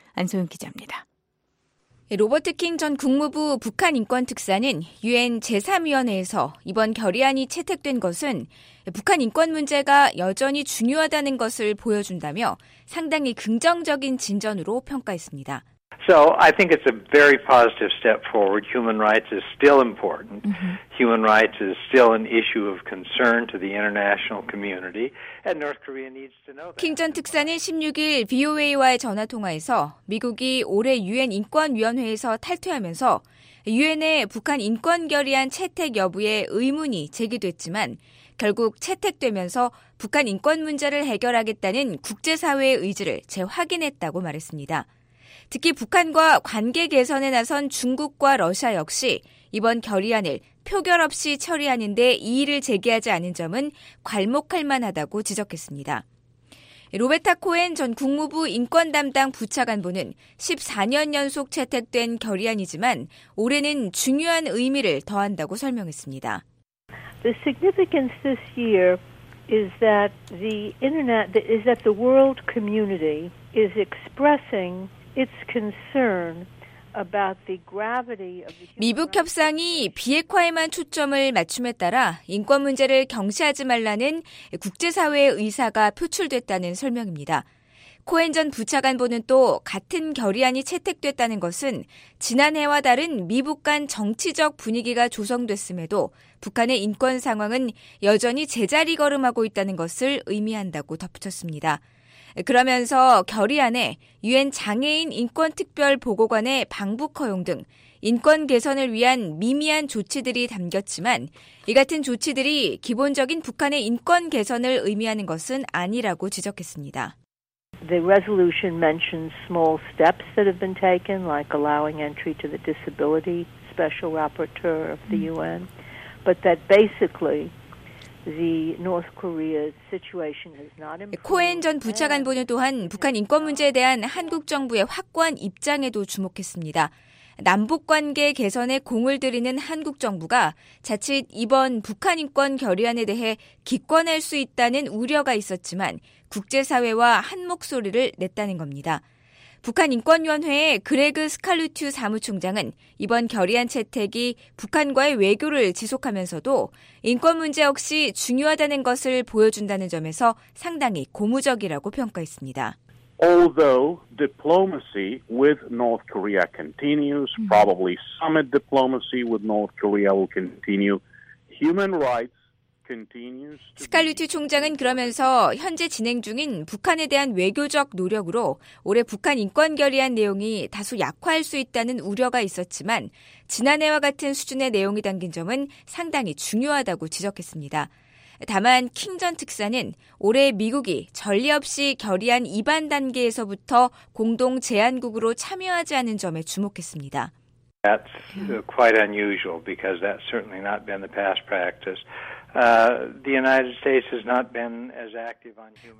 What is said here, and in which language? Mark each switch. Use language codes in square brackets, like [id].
[ko] 안소영 기자입니다. 로버트 킹 전 국무부 북한인권특사는 유엔 제3위원회에서 이번 결의안이 채택된 것은 북한 인권 문제가 여전히 중요하다는 것을 보여준다며 상당히 긍정적인 진전으로 평가했습니다. [en] So I think it's a very positive step forward. Human rights is still important. Human rights is still an issue of concern to the international community. And North Korea needs to know that. [ko] 킹 전 특사는 16일 VOA와의 전화통화에서 미국이 올해 유엔 인권위원회에서 탈퇴하면서 유엔의 북한 인권결의안 채택 여부에 의문이 제기됐지만 결국 채택되면서 북한 인권 문제를 해결하겠다는 국제사회의 의지를 재확인했다고 말했습니다. 특히 북한과 관계 개선에 나선 중국과 러시아 역시 이번 결의안을 표결 없이 처리하는 데 이의를 제기하지 않은 점은 괄목할 만하다고 지적했습니다. 로베타 코엔 전 국무부 인권담당 부차관보는 14년 연속 채택된 결의안이지만 올해는 중요한 의미를 더한다고 설명했습니다. [en] The significance this year is that the internet is that the world community is expressing its concern about the gravity of the [ko] 미북 협상이 비핵화에만 초점을 맞춤에 따라 인권 문제를 경시하지 말라는 국제사회의 의사가 표출됐다는 설명입니다. 코엔 전 부차관보는 또 같은 결의안이 채택됐다는 것은 지난해와 다른 미북 간 정치적 분위기가 조성됐음에도 북한의 인권 상황은 여전히 제자리 걸음하고 있다는 것을 의미한다고 덧붙였습니다. 그러면서 결의안에 유엔 장애인 인권특별보고관의 방북 허용 등 인권 개선을 위한 미미한 조치들이 담겼지만 이 같은 조치들이 기본적인 북한의 인권 개선을 의미하는 것은 아니라고 지적했습니다. [en] The resolution mentions small steps that have been taken, like allowing entry to the disability special rapporteur of the UN, but that basically [ko] 코엔 전 부차관보는 또한 북한 인권 문제에 대한 한국 정부의 확고한 입장에도 주목했습니다. 남북관계 개선에 공을 들이는 한국 정부가 자칫 이번 북한 인권 결의안에 대해 기권할 수 있다는 우려가 있었지만 국제사회와 한 목소리를 냈다는 겁니다. 북한인권위원회의 그레그 스칼루튜 사무총장은 이번 결의안 채택이 북한과의 외교를 지속하면서도 인권 문제 역시 중요하다는 것을 보여준다는 점에서 상당히 고무적이라고 평가했습니다. [en] Although diplomacy with North Korea continues, probably summit diplomacy with North Korea will continue, human rights [ko] 스칼루트 총장은 그러면서 현재 진행 중인 북한에 대한 외교적 노력으로 올해 북한 인권 결의안 내용이 다소 약화할 수 있다는 우려가 있었지만 지난해와 같은 수준의 내용이 담긴 점은 상당히 중요하다고 지적했습니다. 다만 킹전 특사는 올해 미국이 전례 없이 결의안 이반 단계에서부터 공동 제안국으로 참여하지 않은 점에 주목했습니다. [en] That's quite unusual because that's certainly not been the past practice. The United States has not been as active on human rights.